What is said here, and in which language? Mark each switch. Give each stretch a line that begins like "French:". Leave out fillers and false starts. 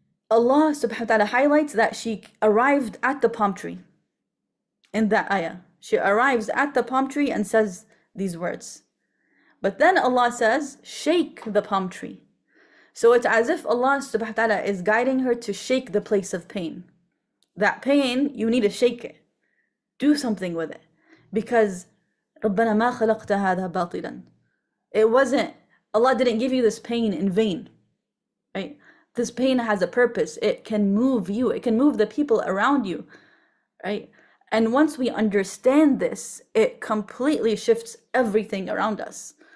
English: Allah subhanahu wa ta'ala highlights that she arrived at the palm tree in that ayah. She arrives at the palm tree and says these words. But then Allah says, shake the palm tree. So it's as if Allah subhanahu wa ta'ala is guiding her to shake the place of pain. That pain, you need to shake it. Do something with it.
Arabic: Because رَبَّنَا مَا خَلَقْتَ هَذَا بَاطِلًا.
English: It wasn't, Allah didn't give you this pain in vain, right? This pain has a purpose. It can move you. It can move the people around you, right? And once we understand this, it completely shifts everything around us.